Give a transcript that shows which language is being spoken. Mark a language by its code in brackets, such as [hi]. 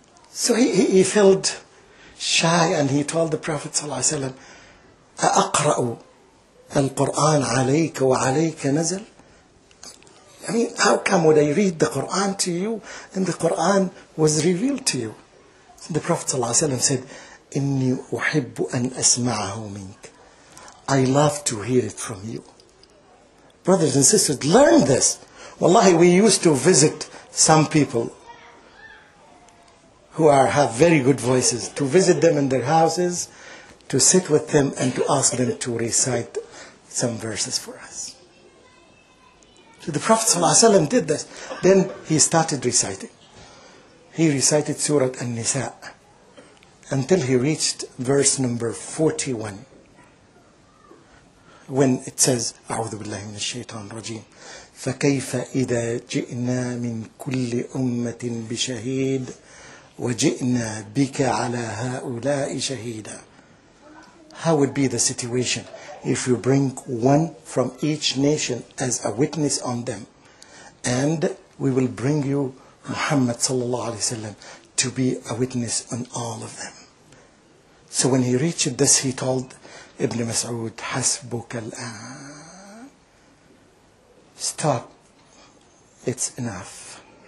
[en] So he felt shy and he told the Prophet sallallahu alayhi wa sallam, [ar] أقرأ القرآن عليك وعليك نزل؟ [en] I mean, how come would I read the Quran to you and the Quran was revealed to you? The Prophet ﷺ said, [ar] إِنِّي أُحِبُّ أَنْ أَسْمَعَهُ مِنْكَ. [en] I love to hear it from you. Brothers and sisters, learn this. Wallahi, we used to visit some people who have very good voices, to visit them in their houses, to sit with them and to ask them to recite some verses for us. So the Prophet ﷺ did this. Then he started reciting. He recited Surah An-Nisa until he reached verse number 41. When it says, [ar] أعوذ بالله من الشيطان الرجيم فكيف إذا جئنا من كل أمة بشهيد وجئنا بك على هؤلاء شهيدا. [en] How would be the situation if you bring one from each nation as a witness on them, and we will bring you Muhammad sallallahu alayhi wa sallam to be a witness on all of them. So when he reached this, he told Ibn Mas'ud, [ar] حسبك الآن. [en] Stop. It's enough.